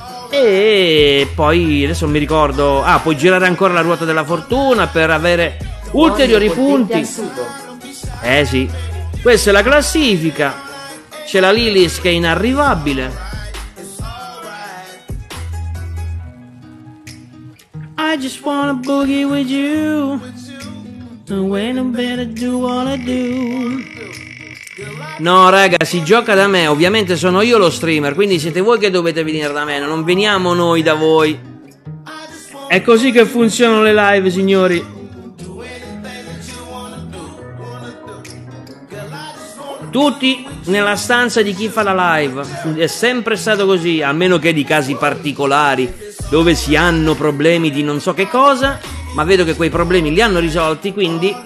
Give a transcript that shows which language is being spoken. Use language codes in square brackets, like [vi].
[it] E poi, adesso non mi ricordo, puoi girare ancora la ruota della fortuna per avere ulteriori punti. Eh sì, questa è la classifica, c'è la Lilith che è inarrivabile. [en] I just wanna boogie with you. Don't wait no better, do all I do. [it] No, raga, si gioca da me. Ovviamente sono io lo streamer, quindi siete voi che dovete venire da me. Non veniamo noi da voi. È così che funzionano le live, signori. Tutti nella stanza di chi fa la live. È sempre stato così, a meno che di casi particolari dove si hanno problemi di non so che cosa, ma vedo che quei problemi li hanno risolti, quindi